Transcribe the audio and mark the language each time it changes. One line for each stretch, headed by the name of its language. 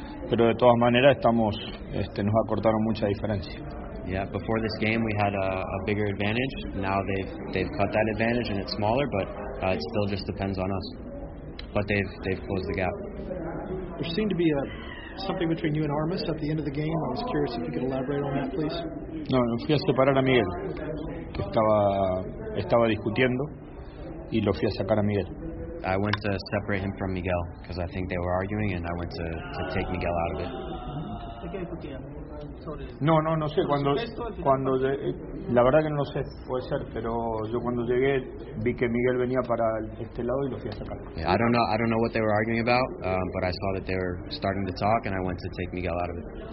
Spanish: Pero de todas maneras estamos nos acortaron mucha diferencia.
English: Yeah, before this game we had a bigger advantage. Now they've cut that advantage and it's smaller, but it still just depends on us. But they've closed the gap. There seemed to be something between you and Armas at the end of the game. I was curious if you could elaborate on that, please.
Spanish: No, me fui a separar a Miguel, que estaba discutiendo, y lo fui a sacar a Miguel.
English: I went to separate him from Miguel because I think they were arguing, and I went to take Miguel out of it.
Spanish: No sé. Cuando llegué, la verdad que no lo sé, puede ser, pero yo cuando llegué vi que Miguel venía para este lado y lo fui a sacar.
English: I don't know what they were arguing about, but I saw that they were starting to talk and I went to take Miguel out of it.